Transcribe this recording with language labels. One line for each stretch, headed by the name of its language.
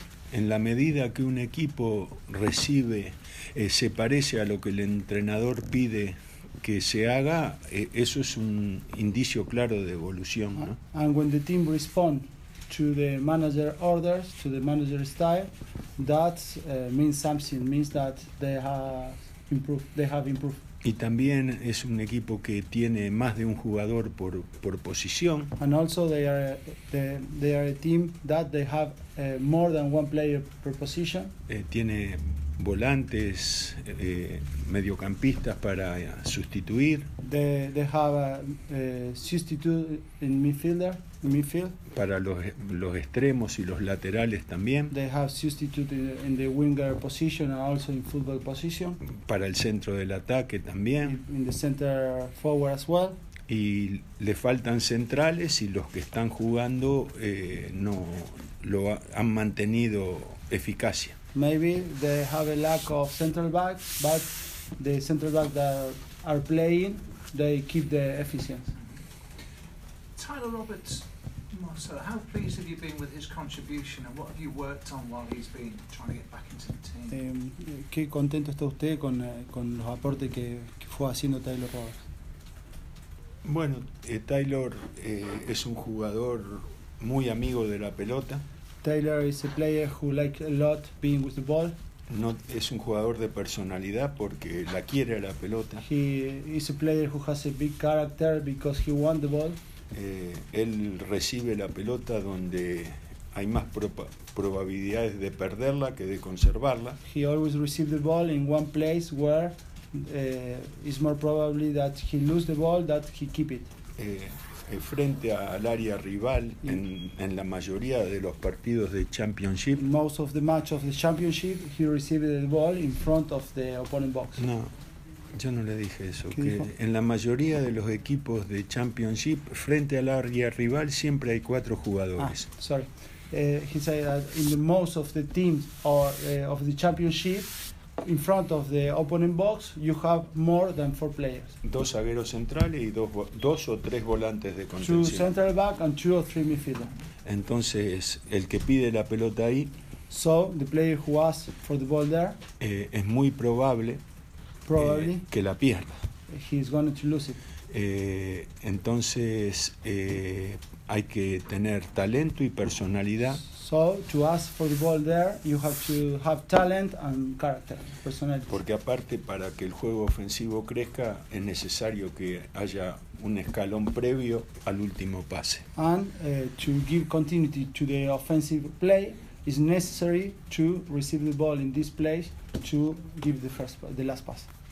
Spanish: En la medida que un equipo recibe, se parece a lo que el entrenador pide que se haga, eso es un indicio claro de evolución, ¿no?
English: And when the team respond to the manager orders, to the manager style, that means something, means that they have improved.
Spanish: Y también es un equipo que tiene más de un jugador por posición.
English: And also they are a team that they have more than one player per position.
Spanish: Tiene volantes, mediocampistas para sustituir.
English: They have a substitute in midfielder, in midfield.
Spanish: Para los extremos y los laterales también.
English: They have substitute in the winger position and also in football position.
Spanish: Para el centro del ataque también.
English: In the center forward as well.
Spanish: Y le faltan centrales y los que están jugando no lo han mantenido eficacia.
English: Maybe they have a lack of central backs, but the central backs that are playing, they keep the efficiency. Tyler Roberts, Marcelo, how pleased have you been with his contribution, and what have you worked on while he's been trying to get back into the team?
Spanish: ¿Qué contento está usted con los aportes que fue haciendo Tyler Roberts? Bueno, Tyler es un jugador muy amigo de la pelota.
English: Taylor is a player who likes a lot being with the ball.
Spanish: No, es un jugador de personalidad porque la quiere a la pelota.
English: He is a player who has a big character because he wants the ball.
Spanish: Él recibe la pelota donde hay más probabilidades de perderla que de conservarla.
English: He always receives the ball in one place where it's more probably that he lose the ball than he keep it.
Spanish: Frente al área rival en la mayoría de los partidos de championship.
English: Most of the match of the championship, he received the ball in front of the opponent box.
Spanish: No, yo no le dije eso. Que en la mayoría de los equipos de championship, frente al área rival, siempre hay cuatro jugadores.
English: Ah, sorry, he said that in the most of the teams or of the championship, in front of the opponent box, you have more than four players.
Spanish: Dos zagueros centrales y dos o tres volantes de contención.
English: Two central back and two or three midfielders.
Spanish: Entonces, el que pide la pelota ahí,
English: so the player who asks for the ball there,
Spanish: es muy probable que la pierda.
English: He's going to lose it.
Spanish: Entonces, hay que tener talento y personalidad.
English: So to ask for the ball there, you have to have talent and character, personality.
Spanish: Porque aparte, para que el juego ofensivo crezca, es necesario que haya un escalón previo al último pase.
English: And to give continuity to the offensive play, it's necessary to receive the ball in this place to give the first, the last pass.